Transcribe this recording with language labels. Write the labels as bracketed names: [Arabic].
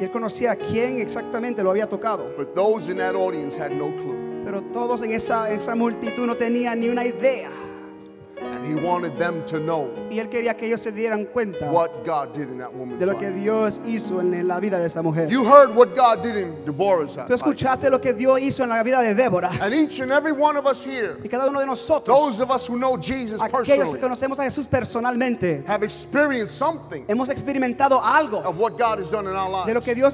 [Spanish] Y él conocía a quién exactamente lo había tocado. [English] But those in that audience had no clue. [Spanish] Pero todos en esa multitud no tenían ni una idea. [English] And He wanted them to know what God did in that woman's life. You heard what God did in Deborah's life. And each and every one of us here, those of us who know Jesus personally, have experienced something of what God has done in our lives.